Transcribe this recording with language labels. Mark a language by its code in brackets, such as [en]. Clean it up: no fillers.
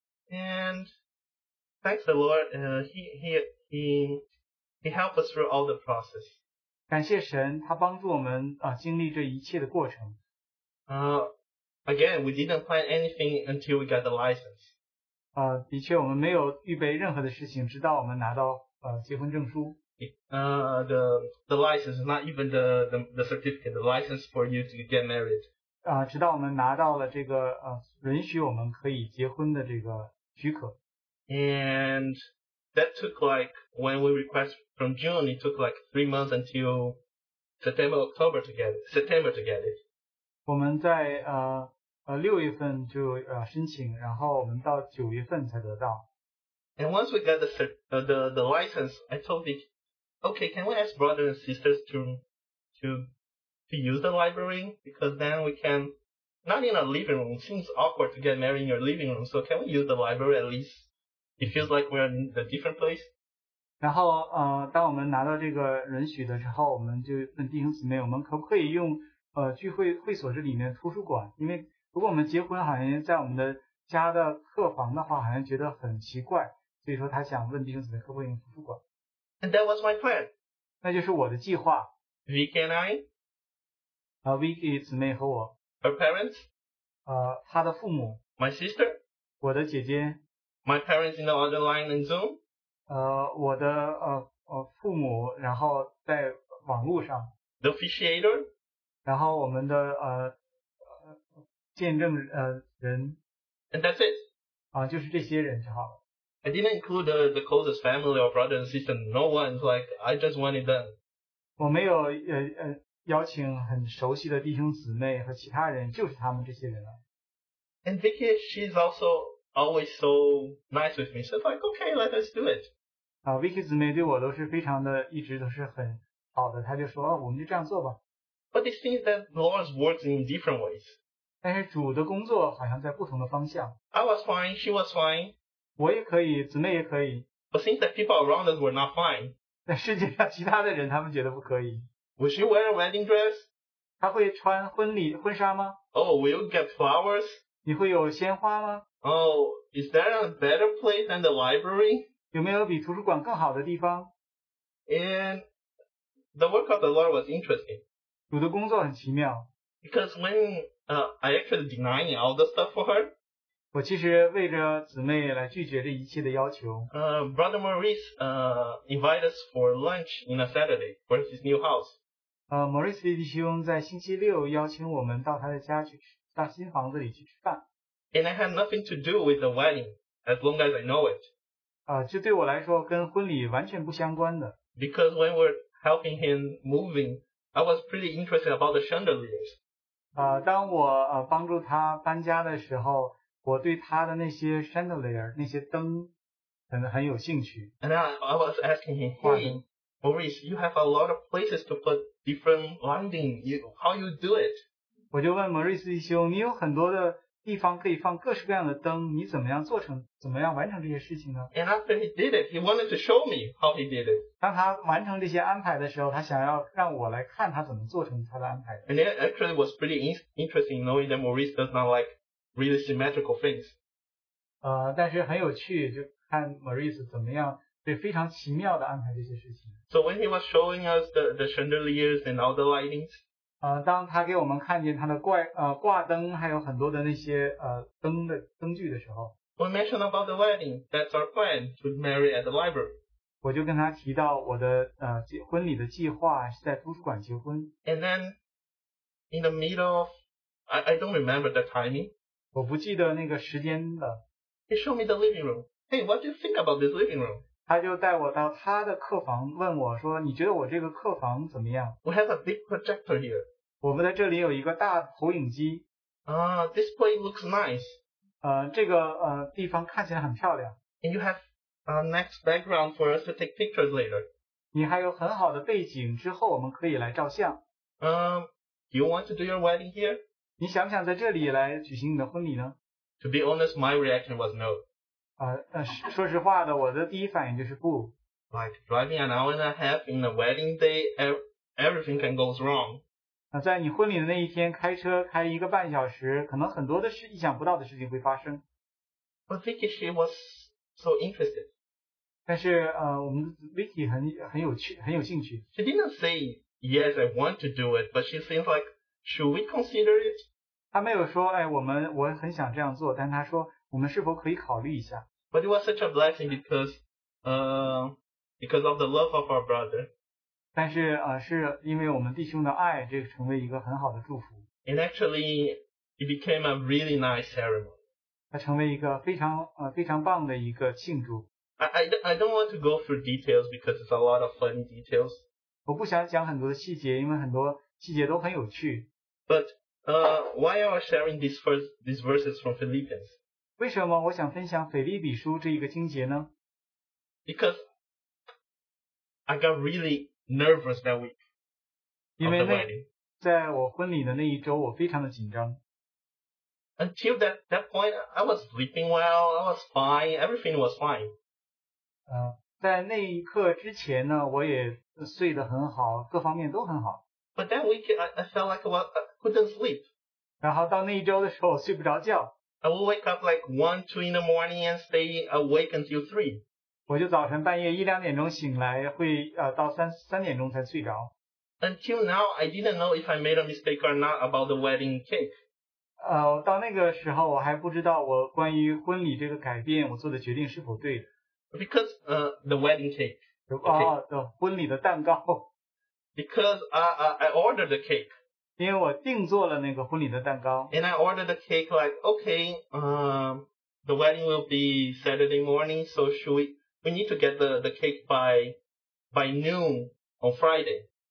[en] And thanks the Lord, he helped us through all the process. [zh] 感谢神，他帮助我们经历这一切的过程。 [en] Again, we didn't plan anything until we got the license. [zh] 的确，我们没有预备任何的事情，直到我们拿到结婚证书。 [en] The license, not even the certificate, the license for you to get married. [zh] 直到我们拿到了这个允许我们可以结婚的这个。 [en] And that took like, when we request from June, it took like 3 months until September, October to get it, September to get it. [zh] 我们在六月份就申请，然后我们到九月份才得到。 [en] And once we got the license, I told Vicky, okay, can we ask brothers and sisters to use the library? Because then we can... Not in a living room. It seems awkward to get married in your living room. So can we use the library at least? It feels like we're in a different place. [zh] 然后当我们拿到这个允许的时候，我们就问弟兄姊妹，我们可不可以用聚会会所这里面图书馆？因为如果我们结婚好像在我们的家的客房的话，好像觉得很奇怪。所以说他想问弟兄姊妹，可不可以用图书馆 [en] ？And that was my plan. [zh] 那就是我的计划。 [en] Vicky and I. [zh] Vicky 姊妹和我。 [en] Her parents, [zh] 她的父母 [en] ，my sister, [zh] 我的姐姐 [en] ，my parents in the other line and Zoom, [zh] 我的父母，然后在网络上 [en] ，the officiator, [zh] 然后我们的见证人 [en] ，and that's it, [zh] 就是这些人就好了。 [en] I didn't include the closest family or brother and sister. No one's like I just wanted them. [zh] 我没有邀请很熟悉的弟兄姊妹和其他人，就是他们这些人了。 [en] And Vicky, she's also always so nice with me. She's like, okay, let us do it. [zh] Vicky 姊妹对我都是非常的，一直都是很好的。她就说，我们就这样做吧。 [en] But it seems that the Lord works in different ways. [zh] 但是主的工作好像在不同的方向。 [en] I was fine, she was fine. [zh] 我也可以，姊妹也可以。 [en] But it seems that people around us were not fine. [zh] 但世界上其他的人，他们觉得不可以。 [en] Will she wear a wedding dress? [zh] 她会穿婚纱吗 [en] ？Oh, will you get flowers? [zh] 你会有鲜花吗 [en] ？Oh, is there a better place than the library? [zh] 有没有比图书馆更好的地方 [en] ？And the work of the Lord was interesting. [zh] 主的工作很奇妙。 [en] Because when I actually denying all the stuff for her, [zh] 我其实为着姊妹来拒绝这一切的要求。 [en] Brother Maurice invited us for lunch on a Saturday for his new house. [zh] Maurice 弟兄在星期六邀请我们到他的家去，到新房子里去吃饭。 [en] And I have nothing to do with the wedding, as long as I know it. [zh] 这对我来说跟婚礼完全不相关的。 [en] Because when we're helping him moving, I was pretty interested about the chandeliers. [zh] 当我帮助他搬家的时候，我对他的那些 chandelier 那些灯很有兴趣。 [en] And I was asking him, hey, Maurice, you have a lot of places to put. Different lighting, how you do it? [zh] 我就问 Maurice 弟兄，你有很多的地方可以放各式各样的灯，你怎么样做成，怎么样完成这些事情呢？ [en] And after he did it, he wanted to show me how he did it. [zh] 当他完成这些安排的时候，他想要让我来看他怎么做成他的安排。 [en] And it actually was pretty interesting knowing that Maurice does not like really symmetrical things. [zh] 但是很有趣，就看 Maurice 怎么样对非常奇妙的安排这些事情。 [en] So when he was showing us the chandeliers and all the lightings, [zh] 当他给我们看见他的挂灯还有很多的那些灯具的时候。 [en] We mentioned about the wedding. That's our plan to marry at the library. [zh] 我就跟他提到我的婚礼的计划是在图书馆结婚。 [en] And then, in the middle of, I don't remember the timing. [zh] 我不记得那个时间了。 [en] He showed me the living room. Hey, what do you think about this living room? [zh] 他就带我到他的客房问我说你觉得我这个客房怎么样? [en] We have a big projector here. [zh] 我们在这里有一个大投影机。 [en] This place looks nice. [zh] 这个地方看起来很漂亮。 [en] And you have a nice background for us to take pictures later. [zh] 你还有很好的背景之后我们可以来照相。 [en] Do you want to do your wedding here? [zh] 你想不想在这里来举行你的婚礼呢? [en] To be honest, my reaction was no. [zh] 说实话的我的第一反应就是不。 [en] Like driving an hour and a half in a wedding day, everything can go wrong. [zh] 在你婚礼的那一天开车开一个半小时可能很多的事意想不到的事情会发生。 [en] But Vicky, she was so interested. [zh] 但是我们 Vicky 很有兴趣。 [en] She didn't say, yes, I want to do it, but she seems like, should we consider it? [zh] 她没有说哎我很想这样做但她说我们是否可以考虑一下。 [en] But it was such a blessing because of the love of our brother. [zh] 但是是因为我们弟兄的爱这成为一个很好的祝福。 [en] And actually, it became a really nice ceremony. [zh] 它成为一个非常棒的一个庆祝。 [en] I don't want to go through details because it's a lot of funny details. [zh] 我不想讲很多的细节因为很多细节都很有趣。 [en] But, why are we sharing these verses from Philippians? [zh] 为什么我想分享腓立比书这一个经节呢? [en] Because I got really nervous that week. [zh] 因为在我婚礼的那一周我非常的紧张。 [en] Until that point, I was sleeping well, I was fine, everything was fine. [zh] 在那一刻之前呢我也睡得很好各方面都很好。 [en] But that week, I felt like I couldn't sleep. [zh] 然后到那一周的时候我睡不着觉。 [en] I would wake up like 1-2 in the morning and stay awake until 3. [zh] 我就早晨半夜一两点钟醒来会到三点钟才睡着。 [en] Until now, I didn't know if I made a mistake or not about the wedding cake. [zh] 到那个时候我还不知道我关于婚礼这个改变我做的决定是否对的。 [en] Because, the wedding cake. [zh] 婚礼的蛋糕。 [en] Because I ordered the cake. [zh] 因为我定做了那个婚礼的蛋糕。 [en] And I ordered the cake like, okay, the wedding will be Saturday morning, so should we need to get the cake by noon on Friday.